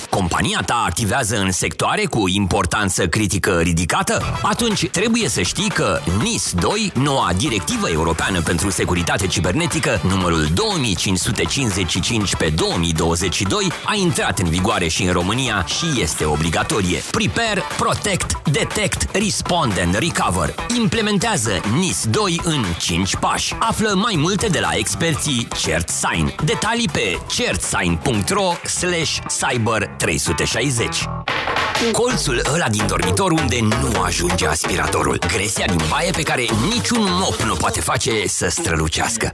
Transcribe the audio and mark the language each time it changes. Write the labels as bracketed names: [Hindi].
[Romanian] Compania ta activează în sectoare cu importanță critică ridicată? Atunci trebuie să știi că NIS 2, noua directivă europeană pentru securitate cibernetică, numărul 2555/2022, a intrat în vigoare și în România și este obligatorie. [English] Prepare, protect, detect, respond and recover. [Romanian] Implementează NIS 2 în 5 pași. Află mai multe de la experții CertSign. Detalii pe certsign.ro/cyber360. Colțul ăla din dormitor unde nu ajunge aspiratorul. Gresia din baie pe care niciun mop nu poate face să strălucească.